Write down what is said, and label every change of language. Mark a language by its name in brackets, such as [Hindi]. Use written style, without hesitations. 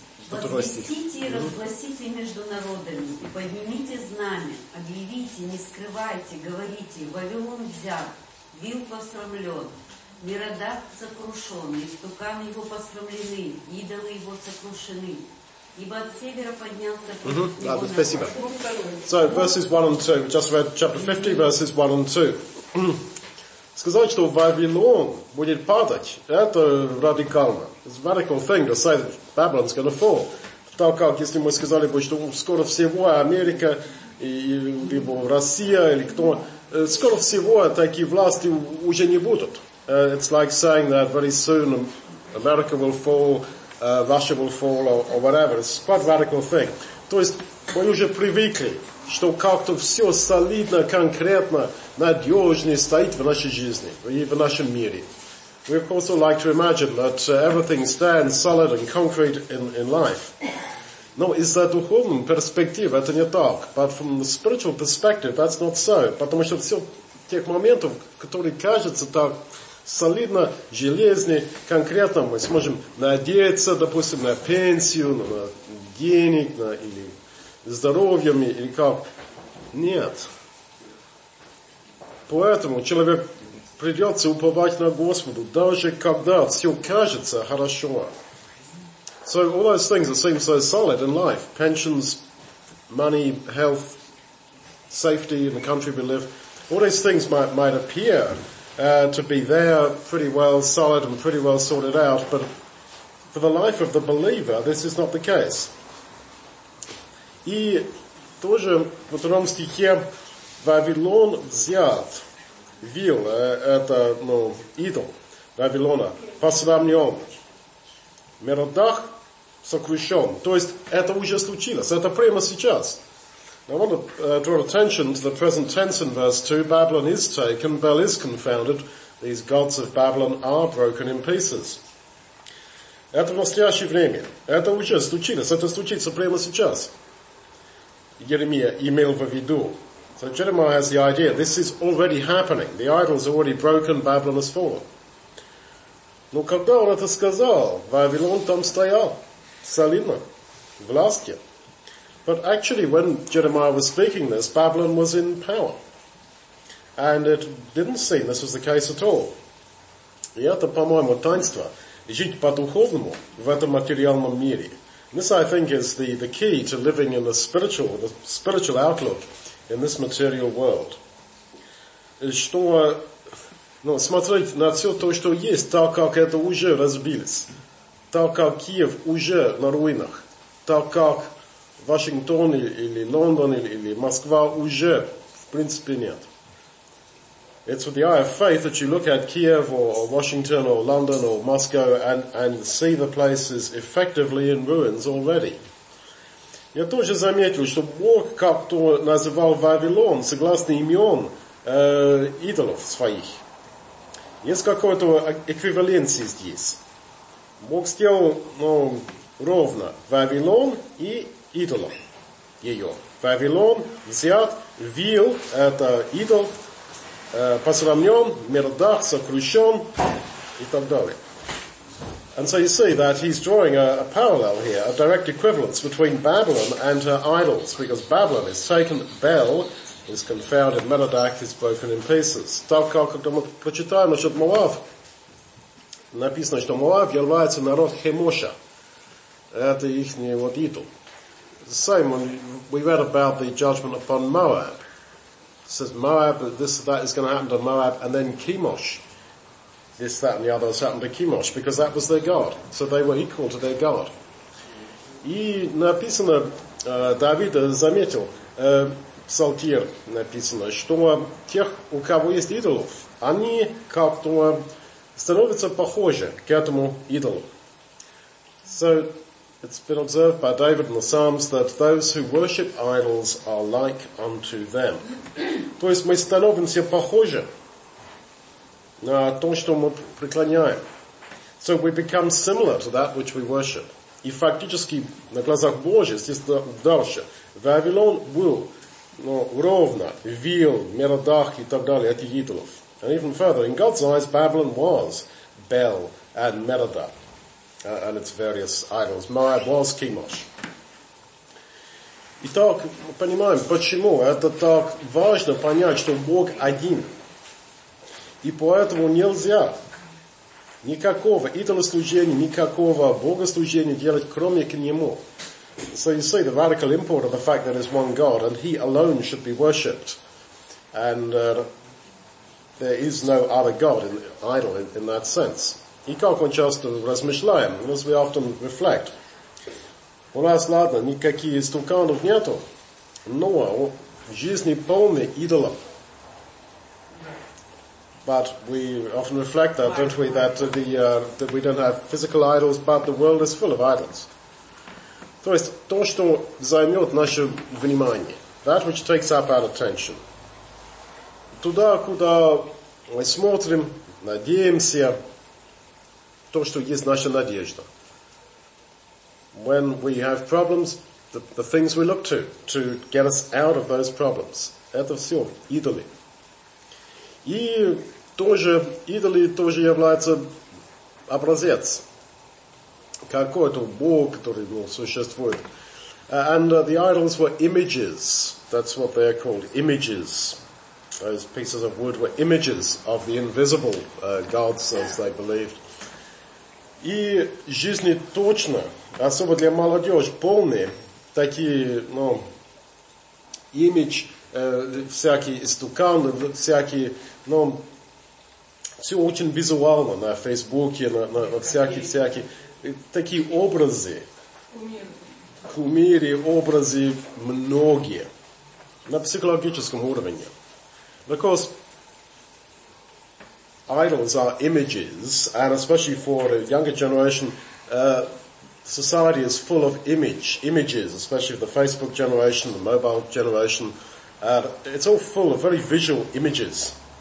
[Russian] Возвестите и разгласите между народами, и поднимите знамя, объявите, не скрывайте, говорите, Вавилон взят, вил посрамлен, Меродак сокрушен, истуканы его посрамлены, идолы его сокрушены. Ибо от севера поднялся... Спасибо. [English] So, verses 1 and 2. Just read chapter 50, verses 1 and 2. [Russian] Сказать, что Вавилон будет падать, это радикально. [English] It's a radical thing to say that Babylon's going to fall. [Russian] Так как, если мы сказали бы, что скоро всего Америка, либо Россия, или кто... Скоро всего такие власти уже не будут. [English] It's like saying that very soon America will fall... Russia will fall or whatever. It's quite a radical thing. [Russian] То есть, мы уже привыкли, что как-то все солидно, конкретно, надежно стоит в нашей жизни и в нашем мире. [English] We also like to imagine that everything stands solid and concrete in life. [Russian] Но из-за духовной перспективы это не так. [English] But from the spiritual perspective, that's not so. [Russian] Потому что все тех моментов, которые кажутся так... Солидно, железно, конкретно мы сможем надеяться, допустим, на пенсию, на денег, на или здоровьем, или как. Нет. Поэтому человек придется уповать на Господа, даже когда все кажется хорошо. [English] So all those things that seem so solid in life, pensions, money, health, safety in the country we live, all these things might appear... to be there pretty well solid and pretty well sorted out, but for the life of the believer, this is not the case. [Russian] И тоже в втором стихе Вавилон взят, вил, это, ну, идол Вавилона, посрамлен, Меродах сокрушен. То есть это уже случилось, это прямо сейчас. [English] I want to draw attention to the present tense in verse 2. Babylon is taken, Bel is confounded. These gods of Babylon are broken in pieces. [Russian] Это в настоящее время. Это уже случилось. Это случится прямо сейчас. Иеремия имел в виду. [English] So Jeremiah has the idea. This is already happening. The idol is already broken. Babylon has fallen. [Russian] Но когда он это сказал, Вавилон там стоял. Солидно. Властью. [English] But actually, when Jeremiah was speaking this, Babylon was in power. And it didn't seem this was the case at all. [Russian] И это, по-моему, таинство. Жить по-духовному в этом материальном мире. [English] This, I think, is the key to living in the spiritual outlook in this material world. [Russian] Что, ну, смотреть на все то, что есть, так как это уже разбилось. Так как Киев уже на руинах. Так как... Вашингтон или Лондон или Москва уже, в принципе, нет. [English] It's with the eye of faith that you look at Kiev or Washington or London or Moscow and see the places effectively in ruins already. [Russian] Я тоже заметил, что Бог как-то называл Вавилон, согласно имен идолов своих. Есть какой-то эквиваленция здесь. Бог сделал, ну, ровно Вавилон и идолом ее. Вавилон взят, вил, это идол, посрамлен, Меродах сокрушен и так далее. [English] And so you see that he's drawing a parallel here, a direct equivalence between Babylon and her idols, because Babylon is taken, Bel is confounded, Meradach is broken in pieces. [Russian] Так как, когда мы прочитаем насчет Моав, написано, что Моав является народ Хемоша. Это их вот идол. [English] The same when we read about the judgment upon Moab. It says Moab, this or that is going to happen to Moab, and then Chemosh. This, that, and the other has happened to Chemosh, because that was their god. So they were equal to their god. [Russian] И написано, Давид заметил, Псалтир написано, что тех, у кого есть идолов, они как-то становятся похожи к этому идолу. [English] So, it's been observed by David in the Psalms that those who worship idols are like unto them. [Russian] То есть мы становимся похожи на том, что мы преклоняем. [English] So we become similar to that which we worship. [Russian] И фактически на глазах Божьих, естественно, дальше. Вавилон был, ну, ровно, вил, мерадах и так далее, этих идолов. [English] And even further, in God's eyes, Babylon was Bel and Merodach and its various idols. Maya was Chemosh. [Russian] Итак, мы понимаем, почему это так важно понять, что Бог один. И поэтому нельзя никакого идолослужения, никакого богослужения делать, кроме к Нему. [English] So you see the radical import of the fact that there is one God and He alone should be worshipped. And there is no other God, idol in that sense. [Russian] И как мы часто размышляем, [English] as we often reflect, [Russian] у нас, ладно, никаких истуканов нету, но в жизни полный идолов. [English] But we often reflect that, don't we, that that we don't have physical idols, but the world is full of idols. [Russian] То есть, то, что займет наше внимание, [English] that which takes up our attention, [Russian] туда, куда мы смотрим, надеемся, то, что есть наша надежда. [English] When we have problems, the things we look to get us out of those problems. [Russian] Это все идоли. И тоже, идоли тоже являются образец. Какой-то Бог, который, ну, существует. [English] And the idols were images. That's what they are called, images. Those pieces of wood were images of the invisible gods, as they believed. [Russian] И жизни точно, особо для молодежи, полные такие, ну, имидж, всякие истуканы, всякие, ну, все очень визуально на Фейсбуке, на всякие, такие образы, кумиры, образы многие, на психологическом уровне. [English] Because idols are images, and especially for the younger generation, society is full of images, especially the Facebook generation, the mobile generation. It's all full of very visual images.